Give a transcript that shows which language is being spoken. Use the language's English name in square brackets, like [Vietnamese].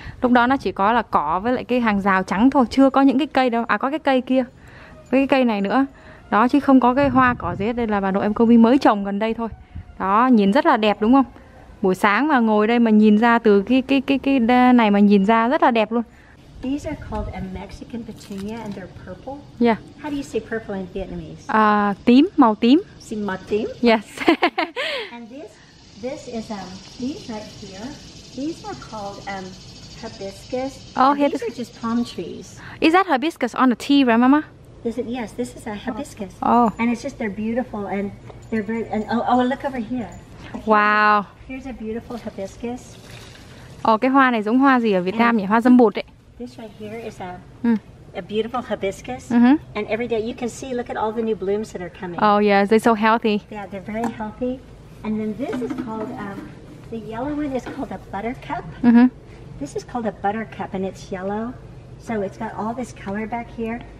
[Vietnamese] Lúc đó nó chỉ có là cỏ với lại cái hàng rào trắng thôi, chưa có những cái cây đâu. À có cái cây kia, với cái cây này nữa. Đó chứ không có cái hoa cỏ gì hết. Đây là bà nội em Kobe mới trồng gần đây thôi. Đó, nhìn rất là đẹp đúng không? Buổi sáng mà ngồi đây mà nhìn ra từ cái này mà nhìn ra rất là đẹp luôn. [English] These are called a Mexican petunia and they're purple. Yeah. How do you say purple in Vietnamese? [Vietnamese] Tím, màu tím. Xin màu tím. [English] Yes. And this is these right here. These are called hibiscus. Oh, and these are just palm trees. Is that hibiscus on a tea, right, Mama? Yes, this is a hibiscus. Oh. And it's just they're beautiful and they're very and look over here. Wow. Here's a beautiful hibiscus. [Vietnamese] Oh, cái hoa này giống hoa gì ở Việt Nam nhỉ? Hoa dâm bụt ấy. [English] This right here is a beautiful hibiscus. Mm-hmm. And every day you can see, look at all the new blooms that are coming. Oh yeah, they're so healthy. Yeah, they're very healthy. And then this is called, the yellow one is called a buttercup. Mm-hmm. This is called a buttercup and it's yellow. So it's got all this color back here.